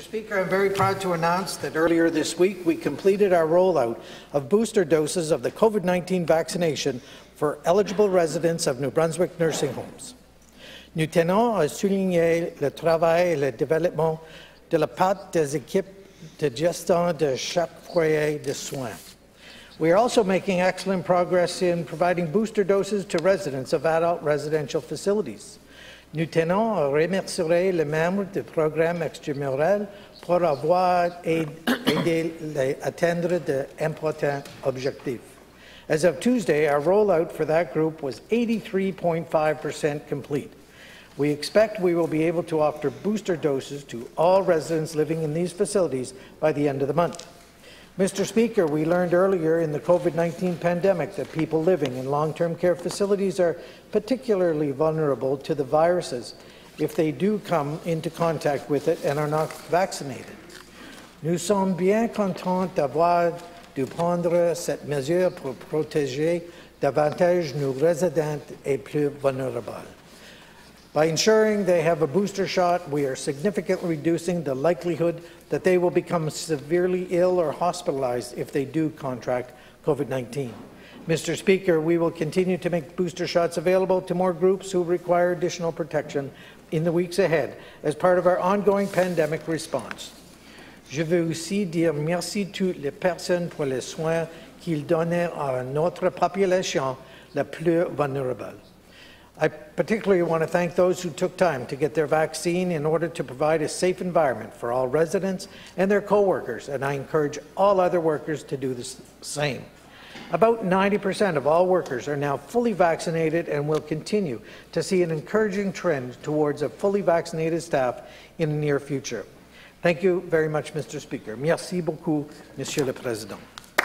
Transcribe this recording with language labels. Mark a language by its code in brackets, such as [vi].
[en] Speaker, I'm very proud to announce that earlier this week we completed our rollout of booster doses of the COVID-19 vaccination for eligible residents of New Brunswick nursing homes. [fr] Nous tenons à souligner le travail et le développement de la part des équipes de gestion de chaque foyer de soins. [en] We are also making excellent progress in providing booster doses to residents of adult residential facilities. [fr] Nous tenons à remercier les membres du programme extramural pour avoir aidé à atteindre d'importants objectifs. [en] As of Tuesday, our rollout for that group was 83.5% complete. We expect we will be able to offer booster doses to all residents living in these facilities by the end of the month. Mr. Speaker, we learned earlier in the COVID-19 pandemic that people living in long-term care facilities are particularly vulnerable to the viruses if they do come into contact with it and are not vaccinated. [fr] Nous sommes bien contents d'avoir dû prendre cette mesure pour protéger davantage nos résidents et plus vulnérables. [en] By ensuring they have a booster shot, we are significantly reducing the likelihood that they will become severely ill or hospitalized if they do contract COVID-19. Mr. Speaker, we will continue to make booster shots available to more groups who require additional protection in the weeks ahead as part of our ongoing pandemic response. [fr] Je veux aussi dire merci à toutes les personnes pour les soins qu'ils donnent à notre population la plus vulnérable. [en] I particularly want to thank those who took time to get their vaccine in order to provide a safe environment for all residents and their co-workers, and I encourage all other workers to do the same. About 90% of all workers are now fully vaccinated and will continue to see an encouraging trend towards a fully vaccinated staff in the near future. Thank you very much, Mr. Speaker. [fr] Merci beaucoup, Monsieur le Président.